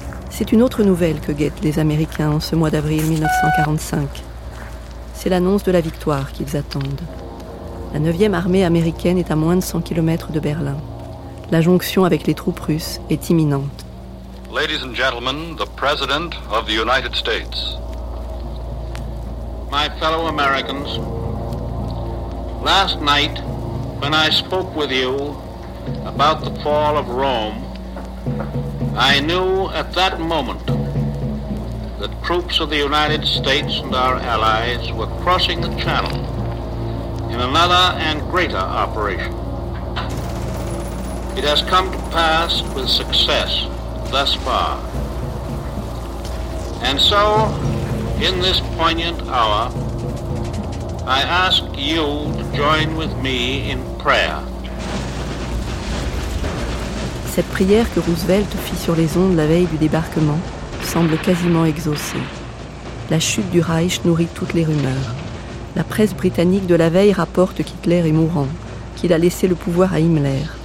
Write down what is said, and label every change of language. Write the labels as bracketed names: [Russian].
[French] C'est une autre nouvelle que guettent les Américains en ce mois d'avril 1945. C'est l'annonce de la victoire qu'ils attendent. La 9e armée américaine est à moins de 100 km de Berlin. La jonction avec les troupes russes est imminente. [English] Ladies and gentlemen, the President of the United States. My fellow Americans, last night, when I spoke with you about the fall of Rome, I knew at that moment that troops of the United States and our allies were crossing the channel in another and greater operation. It has come to pass with success thus far. And so, in this poignant hour, I ask you to join with me in prayer. [French] Cette prière que Roosevelt fit sur les ondes la veille du débarquement semble quasiment exaucée. La chute du Reich nourrit toutes les rumeurs. La presse britannique de la veille rapporte qu'Hitler est mourant, qu'il a laissé le pouvoir à Himmler.